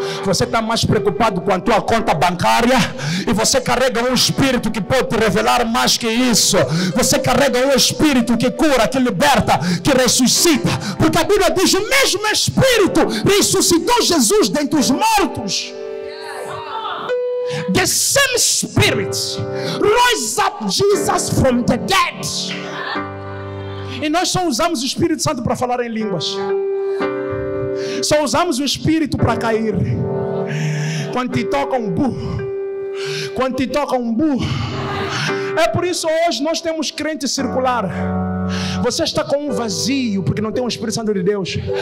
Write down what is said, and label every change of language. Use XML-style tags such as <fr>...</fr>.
<pt>Você está mais preocupado com a tua conta bancária, e você carrega um Espírito que pode te revelar mais que isso. Você carrega um Espírito que cura, que liberta, que ressuscita. Porque a Bíblia diz: o mesmo Espírito ressuscitou Jesus dentre os mortos.</pt> <en>The same Spirit rose up Jesus from the dead.</en> <pt>E nós só usamos o Espírito Santo para falar em línguas. Só usamos o Espírito para cair. Quando te toca um bu. Quando te toca um bu. É por isso hoje nós temos crente circular. Você está com um vazio porque não tem o Espírito Santo de Deus.</pt>